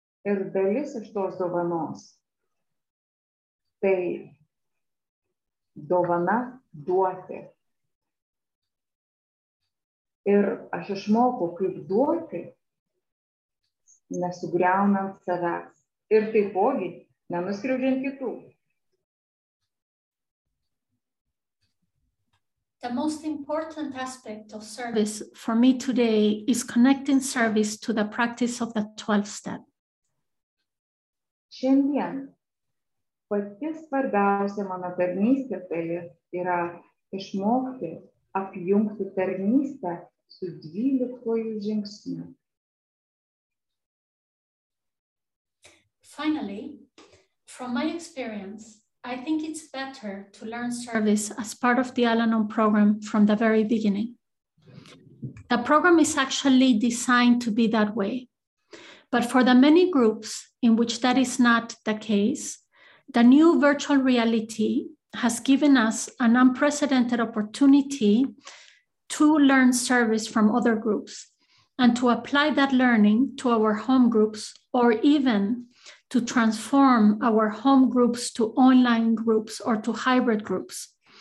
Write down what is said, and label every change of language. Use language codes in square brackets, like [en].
[lt] Ir dalis iš tos dovanos, tai dovana duoti. Ir aš išmokau, kaip duoti, nesugriaunant savęs. Ir taipogi, nenuskriaudžiant kitų. [en] The most important aspect of service for me today is connecting service to the practice of the 12th step. [lt] Šiandien Pati svarbiausia mano tarnystė tai yra išmokti apjungti tarnystę su dvyliktuoju žingsniu. [en] Finally, from my experience, I think it's better to learn service as part of the Al-Anon program from the very beginning. The program is actually designed to be that way. But for the many groups in which that is not the case, the new virtual reality has given us an unprecedented opportunity to learn service from other groups and to apply that learning to our home groups or even to transform our home groups to online groups or to hybrid groups.